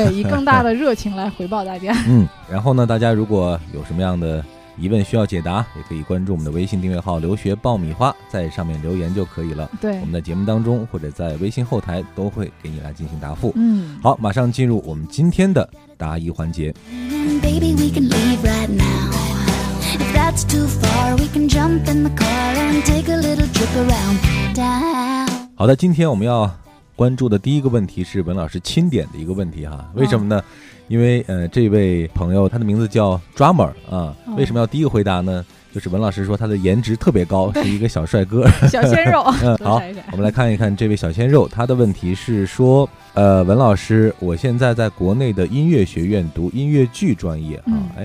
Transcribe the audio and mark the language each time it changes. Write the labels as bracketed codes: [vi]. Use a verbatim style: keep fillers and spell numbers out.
[zh] 对，以更大的热情来回报大家。嗯，然后呢，大家如果有什么样的疑问需要解答，也可以关注我们的微信订阅号"留学爆米花"，在上面留言就可以了。对，我们在节目当中或者在微信后台都会给你来进行答复。嗯，好，马上进入我们今天的答疑环节。 [en] 嗯 Baby, we can leave right now. If that's too far, we can jump in the car and take a little trip around town. [zh] 好的，今天我们要关注的第一个问题是文老师钦点的一个问题哈，为什么呢？哦、因为呃，这位朋友他的名字叫 Drummer 啊、哦，为什么要第一个回答呢？就是文老师说他的颜值特别高，是一个小帅哥，小鲜肉。嗯，好，我们来看一看这位小鲜肉，他的问题是说，呃，文老师，我现在在国内的音乐学院读音乐剧专业啊，哎、